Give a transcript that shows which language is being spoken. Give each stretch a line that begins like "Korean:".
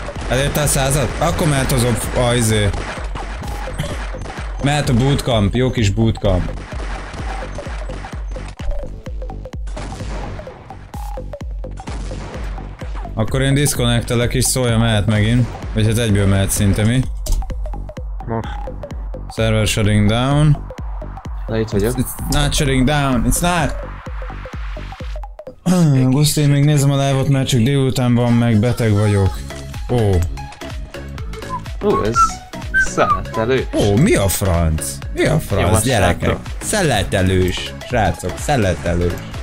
Hungarian: Elérte a 100-at? Akkor mehet az izé. Mehet a bootcamp, jó kis bootcamp. Akkor én disconnectelek és szólja, mehet megint. Vagy hát egyből mehet szinte mi. Most.
English: Server shutting down.
Hungarian: Na itt vagyok.
English: It's not shutting down, it's not!
Hungarian: Guszti, még nézem a live-ot, mert csak délután van, meg beteg vagyok. Ó. Ó, ez... Szeletelős. Ó, mi a franc? Mi a franc, gyerekek? Szeletelős, srácok, szeletelős.